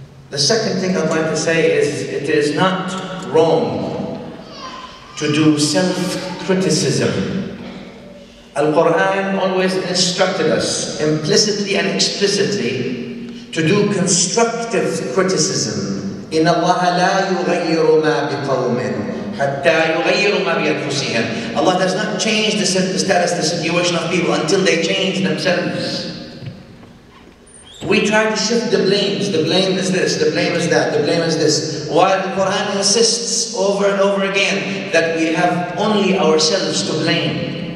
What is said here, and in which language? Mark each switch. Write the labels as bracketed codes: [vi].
[en] The second thing I'd like to say is, it is not wrong to do self-criticism. Al-Quran always instructed us, implicitly and explicitly, to do constructive criticism. [ar] إن الله لا يغير ما بقوم حتى يغير ما بأنفسهم. [en] Allah does not change the status, the situation of people until they change themselves. We try to shift the blames. The blame is this, the blame is that, the blame is this. While the Quran insists over and over again that we have only ourselves to blame.